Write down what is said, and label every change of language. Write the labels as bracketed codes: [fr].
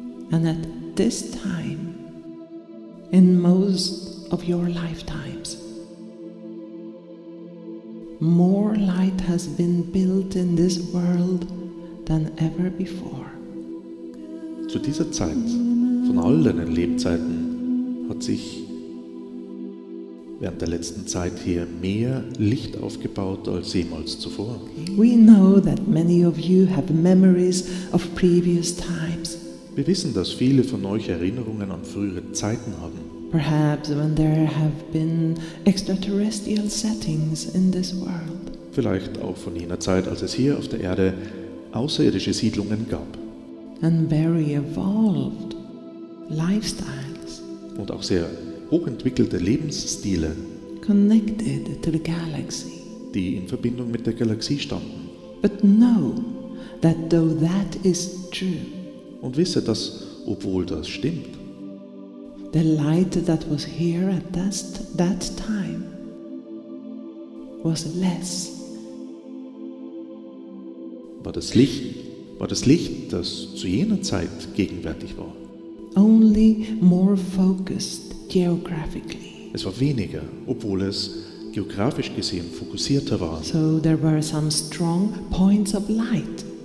[en] And at this time, in most of your lifetimes, more light has been built in this world than ever before. [de] Zu dieser Zeit, von all deinen Lebzeiten, hat sich während der letzten Zeit hier mehr Licht aufgebaut als jemals zuvor. [en] We know that many of you have memories of previous times. [de] Wir wissen, dass viele von euch Erinnerungen an frühere Zeiten haben. [en] Perhaps when there have been extraterrestrial settings in this world. [de] Vielleicht auch von jener Zeit, als es hier auf der Erde außerirdische Siedlungen gab. [en] And very evolved lifestyles. [de] Und auch sehr hochentwickelte Lebensstile. [en] Connected to the galaxy. [de] Die in Verbindung mit der Galaxie standen. [en] But know that though that is true. [de] Und wisse, dass, obwohl das stimmt, [en] the light that was here at that time was less. [de] War das Licht, das zu jener Zeit gegenwärtig war. [en] Only more focused geographically. [de] Es war weniger, obwohl es geografisch gesehen fokussierter war. [en] So there were some strong points of light.